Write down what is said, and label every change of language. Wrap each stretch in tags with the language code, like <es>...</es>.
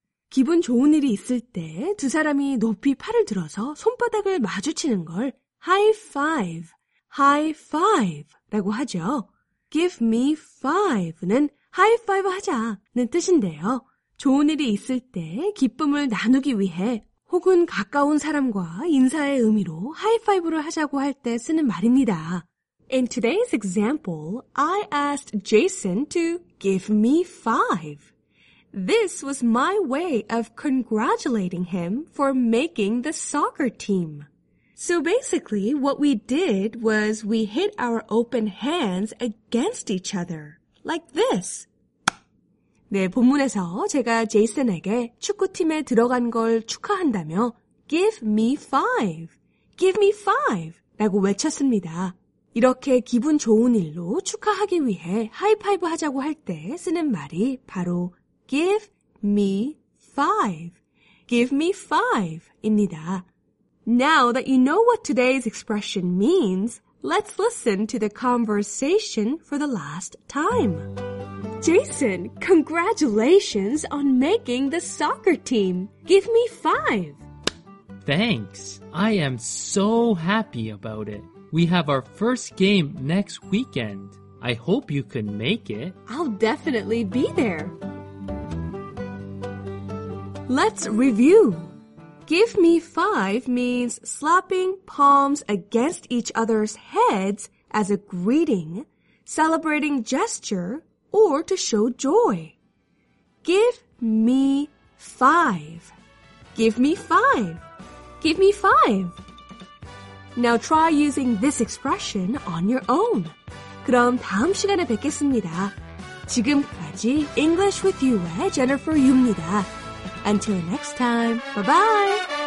<ko>기분 좋은 일이 있을 때 두 사람이 높이 팔을 들어서 손바닥을 마주치는 걸 high five, high five라고 하죠.</ko> <en>Give me five</en> <ko>는 high five 하자는 뜻인데요. 좋은 일이 있을 때 기쁨을 나누기 위해 혹은 가까운 사람과 인사의 의미로 high five를 하자고 할 때 쓰는 말입니다.</ko> <en>In today's example, I asked Jason to give me five. This was my way of congratulating him for making the soccer team. So basically, what we did was we hit our open hands against each other, like this.</en> <ko>네, 본문에서 제가 제이슨에게 축구팀에 들어간 걸 축하한다며</ko> <en>Give me five! Give me five!</en> <ko>라고 외쳤습니다. 이렇게 기분 좋은 일로 축하하기 위해 하이파이브 하자고 할 때 쓰는 말이 바로</ko> <en>Give me five. Give me five</en> <ko>입니다.</ko> <en>Now that you know what today's expression means, let's listen to the conversation for the last time. Jason, congratulations on making the soccer team. Give me five. Thanks. I am so happy about it. We have our first game next weekend. I hope you can make it. I'll definitely be there. Let's review. Give me five means slapping palms against each other's heads as a greeting, celebrating gesture, or to show joy. Give me five. Give me five. Give me five. Now try using this expression on your own.</en> <ko>그럼 다음 시간에 뵙겠습니다. 지금까지 English with You의 Jennifer Yu입니다.</ko> <en>Until next time, bye-bye!</en>